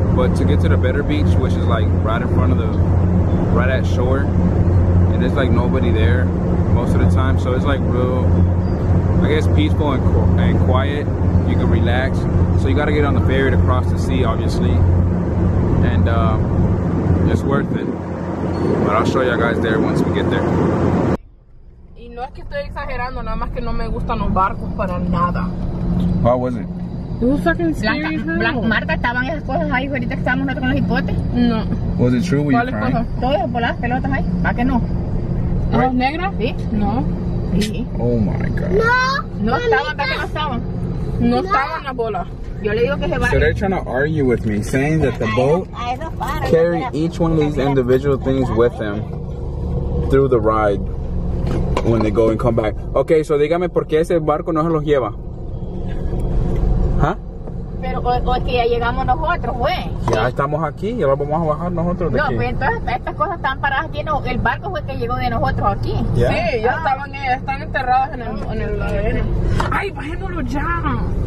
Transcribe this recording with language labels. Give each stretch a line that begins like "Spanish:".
English: But to get to the better beach, which is like right in front of right at shore, and there's like nobody there most of the time, so it's like real, I guess, peaceful and quiet. You can relax. So you got to get on the ferry to cross the sea, obviously, and it's worth it. But I'll show y'all guys there once we get there.
Spanish: No es que estoy exagerando, nada más que no me gustan los barcos para nada.
English: How was it? It was fucking scary.
Spanish: Marta, estaban esas cosas ahí ahorita que estábamos nosotros con los hipotes. No.
English: Was it true? Were you crying?
Spanish: ¿Cuáles cosas? Todas voladas, pelotas ahí. ¿Para qué no? ¿Los negros? Sí. No. Sí.
English: Oh my God.
Spanish: No. No estaban, ¿para qué no estaban? No estaban las bolas. Yo le digo que se
English: va. So they're trying to argue with me, saying that the boat carried each one of these individual things with them through the ride. When they go and come back. Okay, so
Spanish: dígame, ¿por qué ese barco no se los lleva? ¿Huh? Pero porque ya llegamos nosotros, güey. Ya estamos aquí, ya lo vamos a bajar nosotros de no, aquí. No, pues entonces estas cosas están paradas aquí, no. El barco fue el que llegó de nosotros aquí.
English: Yeah.
Spanish: Sí, ya están enterrados en el arena. ¡Ay, bajémoslo ya!